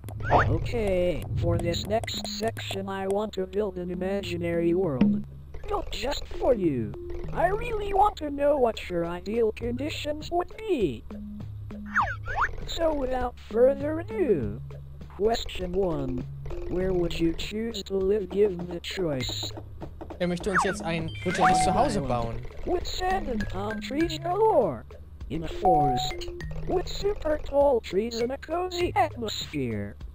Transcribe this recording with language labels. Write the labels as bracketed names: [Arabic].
[English] Okay, for this next section I want to build an imaginary world. Built just for you. I really want to know what your ideal conditions would be. So without further ado, question 1. Where would you choose to live given the choice? [German] Er möchte uns jetzt ein virtuelles Zuhause bauen. [English] With sand and palm trees galore. In a forest. With super tall trees and a cozy atmosphere.